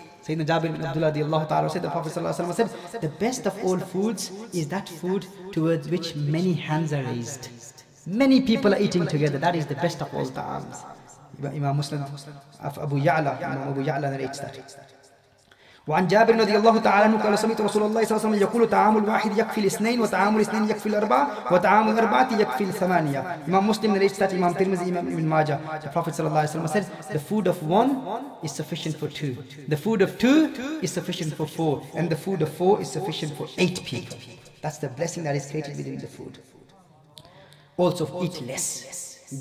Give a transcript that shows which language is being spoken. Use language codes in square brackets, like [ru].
[en] Sayyidina Jabir bin Abdullah radiallahu ta'ala said, the Prophet said, the best of all foods is that food towards which many hands are raised. Many people are eating together. That is the best of all ta'ams. Imam Muslim of Abu Ya'la, Imam Abu Ya'la narrates that. [ar] وعن جابر رضي الله تعالى عنه قال سمعت رسول الله صلى الله عليه وسلم يقول طعام الواحد يكفي الاثنين وطعام الاثنين يكفي الاربعة وطعام الاربعة يكفي الثمانية. [en] Imam Muslim narrates that, Imam Tirmizi, Imam Ibn Majah, the Prophet [ar] صلى الله عليه وسلم [en] said, the food of one is sufficient for two, the food of two is sufficient for four, and the food of four is sufficient for eight people. That's the blessing that is created within the food. Also eat less.